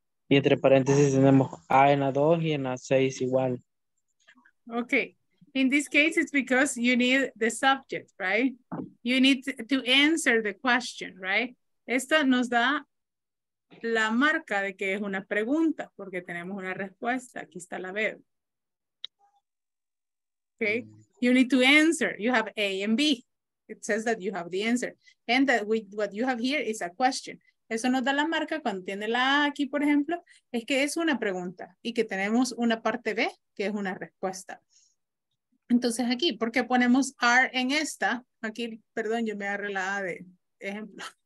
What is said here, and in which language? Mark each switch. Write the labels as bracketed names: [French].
[Spanish] Y entre paréntesis tenemos A en la 2 y en la 6 igual. [English] Okay. In this case, it's because you need the subject, right? You need to answer the question, right? [Spanish] Esto nos da la marca de que es una pregunta, porque tenemos una respuesta. Aquí está la B. [English] Okay? You need to answer. You have A and B. It says that you have the answer. And that we, what you have here is a question. [Spanish] Eso nos da la marca cuando tiene la A aquí, por ejemplo, es que es una pregunta y que tenemos una parte B, que es una respuesta. Entonces aquí, ¿por qué ponemos R en esta? Aquí, perdón, yo me agarré la A de ejemplo.